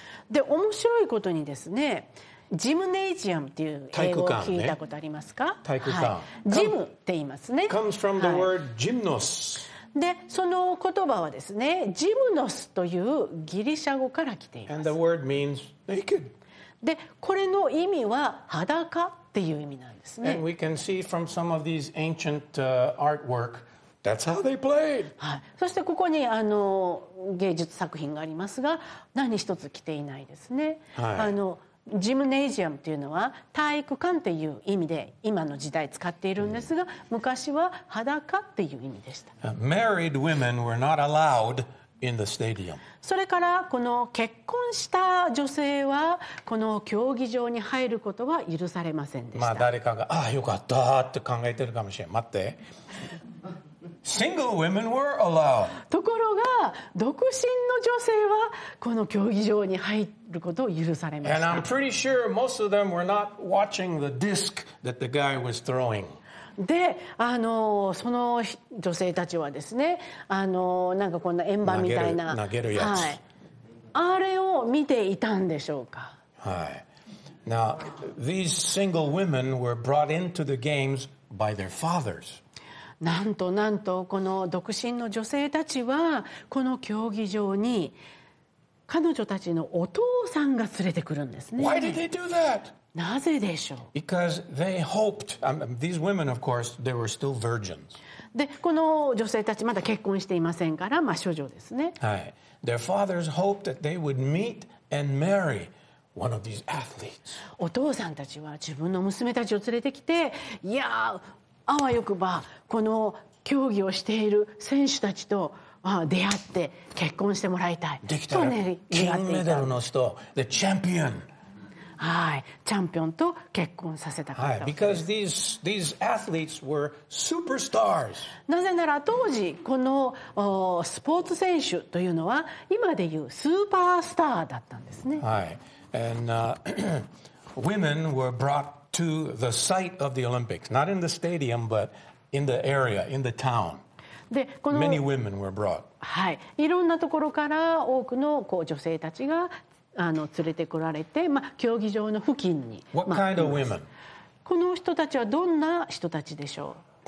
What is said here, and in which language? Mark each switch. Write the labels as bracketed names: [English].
[Japanese] で、面白いことにですね、ジムネジアムっていう英語を聞いたことありますか？体育館、ね、はい、ジムって言いますね。 [English] Comes from the word gymnos. [Japanese] で、その言葉はですね、ジムノスというギリシャ語から来ています。 [English] And the word means naked. [Japanese] で、これの意味は裸っていう意味なんですね。 [English] And we can see from some of these ancient artwork, that's how they played. [Japanese] はい。そしてここに芸術作品がありますが、何一つ着ていないですね。はい。ジムネジアムというのは体育館っていう意味で今の時代使っているんですが、昔は裸っていう意味でした。 [English] Married women were not allowed in the stadium. [Japanese] それからこの結婚した女性はこの競技場に入ることは許されませんでした。まあ誰かがああよかったって考えてるかもしれない。待って。 [English] Single women were allowed. [Japanese] ところが独身の女性はこの競技場に入ることを許されました。 [English] And I'm pretty sure most of them were not watching the disc that the guy was throwing. [Japanese] で、その女性たちはですね、なんかこんな円盤みたいな投げるやつ、はい、あれを見ていたんでしょうか。はい。 [English] Now, these single women were brought into the games by their fathers. [Japanese] なんとなんとこの独身の女性たちはこの競技場に彼女たちのお父さんが連れてくるんですね。 [English] Why did they do that? [Japanese] なぜでしょう。 [English] Because they hoped, these women, of course, they were still virgins. [Japanese] で、この女性たちまだ結婚していませんから、まあ処女ですね。はい。 [English] Their fathers hoped that they would meet and marry one of these athletes. [Japanese] お父さんたちは自分の娘たちを連れてきて、いやあ、あわよくばこの競技をしている選手たちとあ、出会って結婚してもらいたい。できたら金メダルの人、 [English] the champion。 [Japanese] はい、チャンピオンと結婚させたかった。はい、 [English] because these athletes were superstars。 [Japanese] なぜなら当時このスポーツ選手というのは今でいうスーパースターだったんですね。 [English] はい、and women were brought to the site of the Olympics, not in the stadium, but in the area, in the town. [Japanese] でこの [English] Many women were brought. [Japanese] はい、いろんなところから多くのこう女性たちが連れてこられて、まあ、競技場の付近に、 [English] What kind of women? [Japanese] この人たちはどんな人たちでしょう。